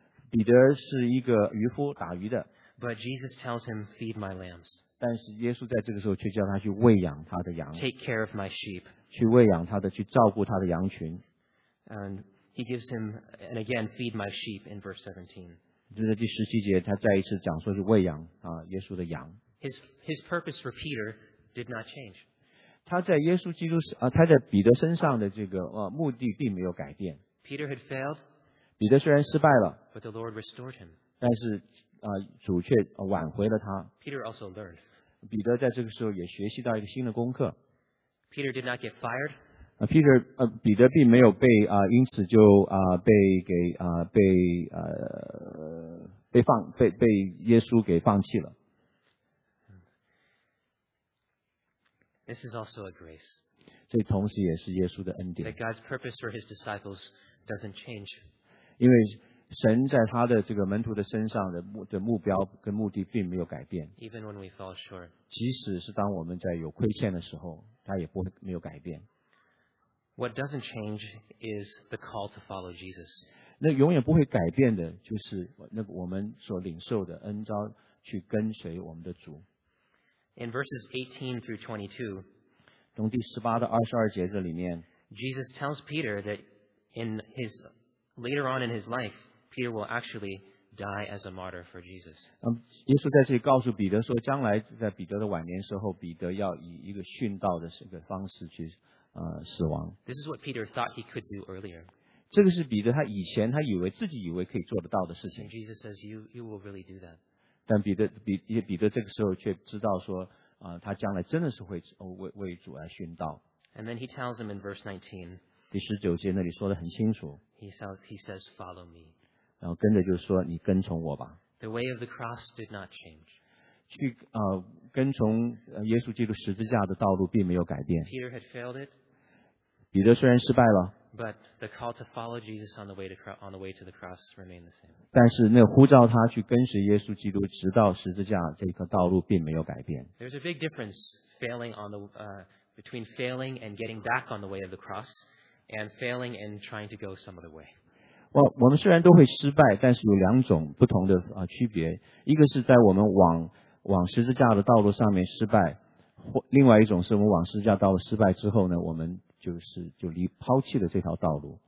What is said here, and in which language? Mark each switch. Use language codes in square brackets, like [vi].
[zh] 彼得是一个渔夫，打鱼的。 [en] But Jesus tells him, "Feed my lambs." [zh] 但是耶稣在这个时候却叫他去喂养他的羊。 [en] Take care of my sheep. [zh] 去喂养他的，去照顾他的羊群。 [en] And he gives him, and again, "Feed my sheep." In verse 17. [zh] 就是第十七节，他再一次讲说是喂养耶稣的羊。 [en] His purpose for Peter did not change. [zh] 他在耶稣基督他在彼得身上的这个目的并没有改变。 [en] Peter had failed. [zh] 彼得虽然失败了， [en] But the Lord restored him. [zh] 但是主却挽回了他。 [en] Peter also learned. [zh] 彼得在这个时候也学习到一个新的功课。 [en] Peter did not get fired. [zh] Peter, 彼得并没有被因此就被给被被放被被耶稣给放弃了。 [en] This is also a grace. [zh] 这同时也是耶稣的恩典。 [en] That God's purpose for His disciples doesn't change. [zh] 因为神在他的这个门徒的身上的目标跟目的并没有改变。 [en] Even when we fall short, [zh] 即使是当我们在有亏欠的时候，他也不没有改变。 [en] What doesn't change is the call to follow Jesus. [zh] 那永远不会改变的就是那个我们所领受的恩召去跟随我们的主。 [en] In verses 18 through 22, [zh] 从第十八到二十二节这里面 [en] ，Jesus tells Peter that in his Later on in his life, Peter will actually die as a martyr for Jesus. [zh] 耶稣在这里告诉彼得说，将来在彼得的晚年时候，彼得要以一个殉道的这个方式去死亡。 [en] This is what Peter thought he could do earlier. [zh] 这个是彼得他以前他以为自己以为可以做得到的事情。 [en] And Jesus says, "You will really do that." [zh] 但彼得这个时候却知道说，他将来真的是会为主来殉道。 [en] And then he tells him in verse 19. [zh] 第十九节那里说得很清楚。 [en] He says, "Follow me." [zh] 然后跟着就说你跟从我吧。 [en] The way of the cross did not change. [zh] 去跟从耶稣基督十字架的道路并没有改变。 [en] Peter had failed it. [zh] 彼得虽然失败了。 [en] But the call to follow Jesus on the way to the cross remained the same. [zh] 但是那呼召他去跟随耶稣基督直到十字架这个道路并没有改变。 [en] There's a big difference between failing and getting back on the way of the cross. And failing and trying to go some other way. [zh] Well, 我们虽然都会失败，但是有两种不同的区别。一个是在我们往十字架的道路上面失败，或另外一种是我们往十字架道路失败之后呢，我们就抛弃了这条道路。